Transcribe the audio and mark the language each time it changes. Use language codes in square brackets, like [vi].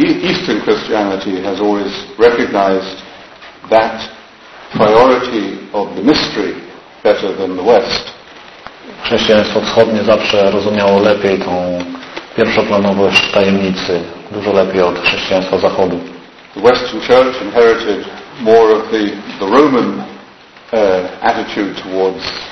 [en] Eastern Christianity has always recognized that priority of the mystery better than the West. [pl] Chrześcijaństwo wschodnie zawsze rozumiało lepiej tą pierwszoplanowość tajemnicy, dużo lepiej od chrześcijaństwa zachodu. [en] The Western Church inherited more of the Roman attitude towards